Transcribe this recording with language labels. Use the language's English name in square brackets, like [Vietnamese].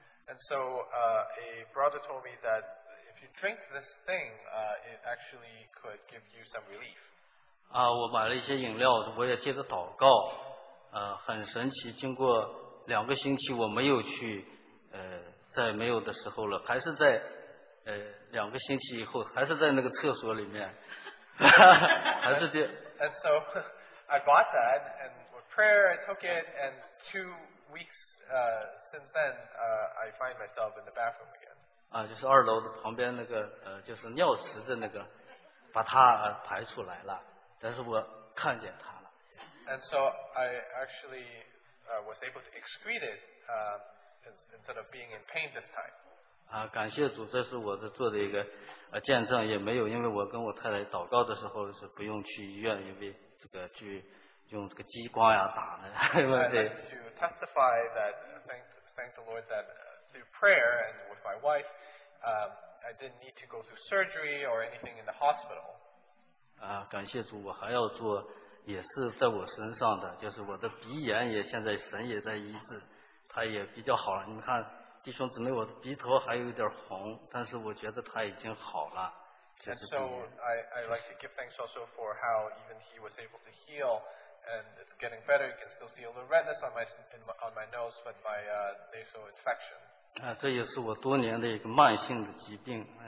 [English] And so, a brother told me that if you drink this thing, it actually could give you some relief. [Chinese] 我买了一些饮料，我也接着祷告。很神奇，经过两个星期，我没有去，在没有的时候了，还是在两个星期以后，还是在那个厕所里面，还是这。 [English] And so, I bought that, and with prayer, I took it, and two weeks since then, I find myself in the bathroom again. [Chinese] 就是二楼旁边那个就是尿池子那个，把它排出来了，但是我看见它了。 [English] And so I actually was able to excrete it instead of being in pain this time. [Chinese] 感谢主，这是我这做的一个见证，也没有，因为我跟我太太祷告的时候是不用去医院，因为这个去。用这个激光呀打的，因为这。 [English] To testify that thank the Lord that through prayer and with my wife, I didn't need to go through surgery or anything in the hospital. [Chinese] 感谢主，我还要做，也是在我身上的，就是我的鼻炎也现在神也在医治，他也比较好了。你们看，弟兄姊妹，我的鼻头还有点红，但是我觉得他已经好了。 [English] And so I'd like to give thanks also for how even he was able to heal. And it's getting better. You can still see a little redness on my nose, but my nasal infection. [Chinese] 这也是我多年的一个慢性的疾病。